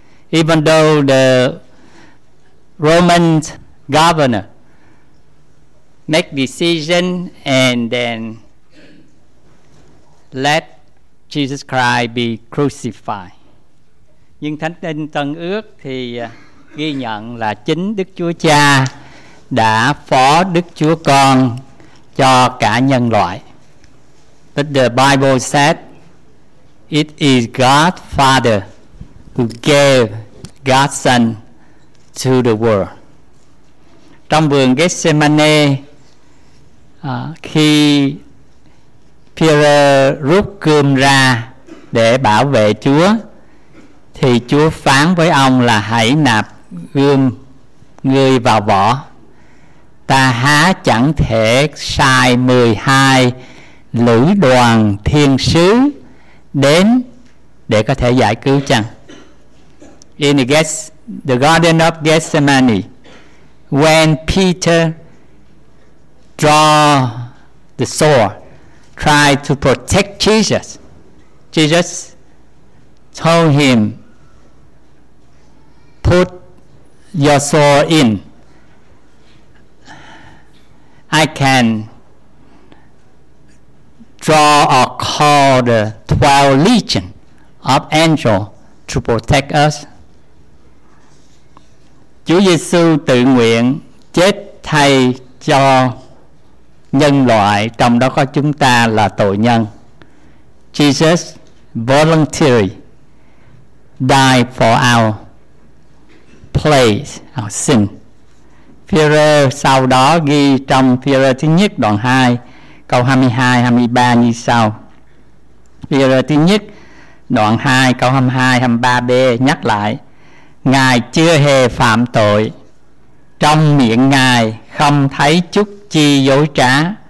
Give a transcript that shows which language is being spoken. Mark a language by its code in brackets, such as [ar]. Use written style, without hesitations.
[en] Even though the Roman governor make decision and then let Jesus Christ be crucified, [vi] nhưng Thánh Tin Tân Ước thì ghi nhận là chính Đức Chúa Cha đã phó Đức Chúa Con cho cả nhân loại. [en] But the Bible said it is God Father who gave God's Son to the world. [vi] Trong vườn Gethsemane, khi Peter rút gươm ra để bảo vệ Chúa, thì Chúa phán với ông là hãy nạp gươm ngươi vào vỏ. Ta há chẳng thể sai 12 lữ đoàn thiên sứ đến để có thể giải cứu chăng? [en] In the Garden of Gethsemane, when Peter draw the sword, try to protect Jesus, Jesus told him, "Put your sword in. I can draw or call the 12 legion of angels to protect us." [vi] Chúa Giêsu tự nguyện chết thay cho nhân loại, trong đó có chúng ta là tội nhân. [en] Jesus voluntarily died for our place, our sin. [vi] Peter sau đó ghi trong Peter thứ nhất đoạn 2 câu 22-23 như sau. Peter thứ nhất đoạn 2 câu 22-23b nhắc lại: Ngài chưa hề phạm tội, trong miệng Ngài không thấy chút chi dối trá.